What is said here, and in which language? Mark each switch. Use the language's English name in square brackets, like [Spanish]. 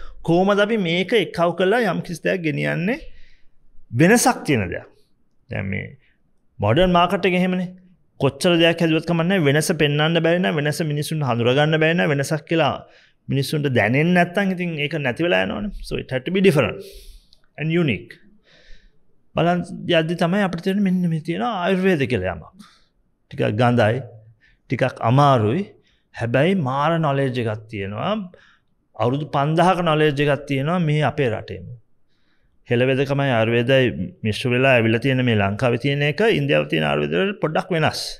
[Sinhala] කොහොමද අපි මේක එකව කළා යම් කිසි දෙයක් ගෙනියන්නේ වෙනසක් තියෙන දෙයක්. දැන් මේ modern market එක එහෙමනේ. කොච්චර දෙයක් හදුවත් කමක් නැහැ වෙනස පෙන්වන්න බැරි නම් වෙනස මිනිස්සුන් හඳුර ගන්න බැරි නම් වෙනසක් කියලා මිනිස්සුන්ට දැනෙන්නේ නැත්නම් ඉතින් ඒක නැති වෙලා යනවනේ. [English] So it had to be different and unique. [Sinhala] බලන් යද්දි තමයි අපිට තේරෙන්නේ මෙන්න මේ තියෙන ආයුර්වේද කියලා යමක්. ටිකක් ගඳයි, ටිකක් අමාරුයි. හැබැයි මාර නොලෙජ් එකක් තියෙනවා. අවුරුදු 5000ක නොලෙජ් එකක් තියෙනවා මේ අපේ රටේම. හෙළවෙදකමයි ආයුර්වේදයි මිශ්‍ර වෙලා ඇවිල්ලා තියෙන මේ ලංකාවේ තියෙන එක ඉන්දියාවේ තියෙන ආයුර්වේද වලට පොඩ්ඩක් වෙනස්.